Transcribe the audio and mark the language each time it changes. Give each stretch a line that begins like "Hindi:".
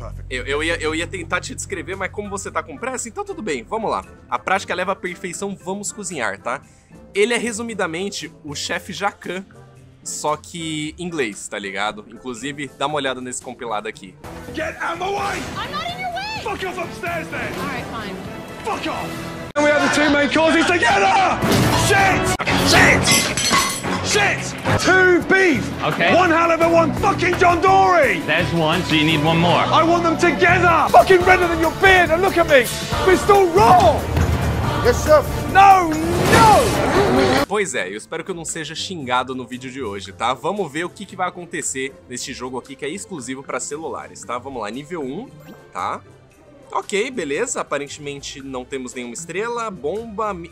Portuguese: Eu ia tentar te descrever, mas como você tá com pressa, então tudo bem, vamos lá. A prática leva à perfeição, vamos cozinhar, tá? Ele é resumidamente o chefe Jacquin, só que inglês, tá ligado? Inclusive, dá uma olhada nesse compilado aqui.
English: Get out of my way! I'm not in your way! Fuck off upstairs then! Alright, fine. Fuck off! And we have the 2 main courses together! Shit! Shit! Shit! 2 beef! Okay. 1 halibut, 1 fucking John Dory! There's one, so you need one more. I want them together! Fucking redder than your beard, and look at me! We're still raw! Yes, sir. No, no!
Portuguese: Pois é, eu espero que eu não seja xingado no vídeo de hoje, tá? Vamos ver o que, que vai acontecer neste jogo aqui que é exclusivo para celulares, tá? Vamos lá, nível 1, tá? Ok, beleza, aparentemente não temos nenhuma estrela, bomba...